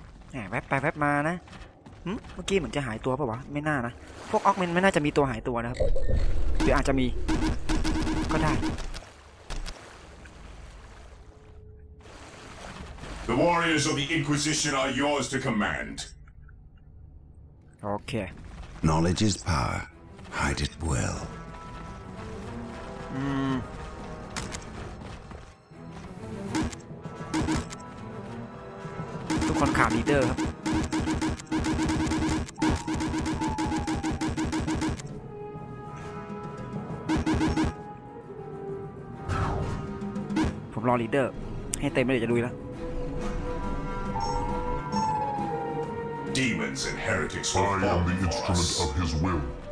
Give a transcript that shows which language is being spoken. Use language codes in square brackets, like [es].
[th] แหมแว๊บไปแว๊บมานะเมื่อกี้เหมือนจะหายตัวป่าววะไม่น่านะพวกออกเมนไม่น่าจะมีตัวหายตัวนะครับหรืออาจจะมีก็ได้ [en] The warriors of the Inquisition are yours to command. Okay. Knowledge is power. Hide it well. [th] ทุกคนขาดลีดเดอร์ครับผมรอลีดเดอร์ให้เต็มไม่เดี๋ยวจะดุยแล้ว [en] Demons and heretics will fall before us. I am the instrument of his will.